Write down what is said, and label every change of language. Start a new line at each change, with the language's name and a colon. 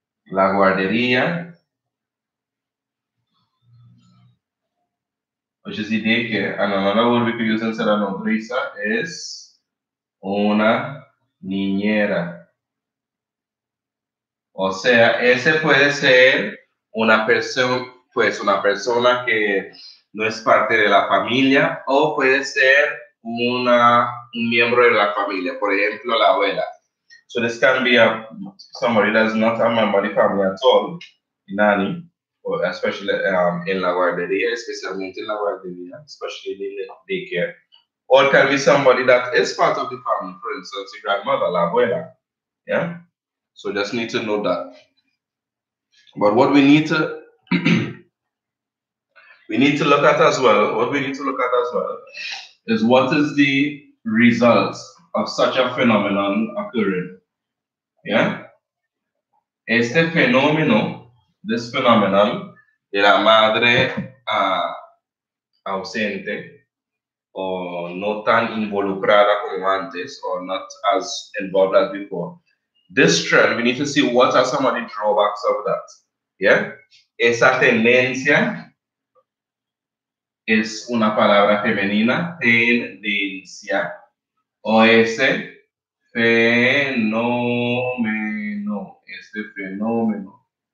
English: La guardería, which is the daycare, and another word we could use instead of nodriza is una niñera.
Spanish: O sea, ese puede ser una persona, pues una persona que no es parte de la familia, o puede ser un miembro de la familia, por ejemplo, la abuela.
English: So this can be somebody that's not a member of the family at all, nanny. Especially in la guardería,
Spanish: especialmente en la guardería,
English: especially in the daycare. Or it can be somebody that is part of the family, for instance, your grandmother, la abuela. Yeah? So just need to know that. But what we need to look at as well is what is the result of such a phenomenon occurring.
Spanish: Yeah? Este fenómeno,
English: this phenomenon,
Spanish: de la madre ausente, o no tan involucrada como antes,
English: or not as involved as before. This trend, we need to see what are some of the drawbacks of that. Yeah?
Spanish: Esa tendencia es una palabra femenina, tendencia, o ese fenómeno, este fenómeno.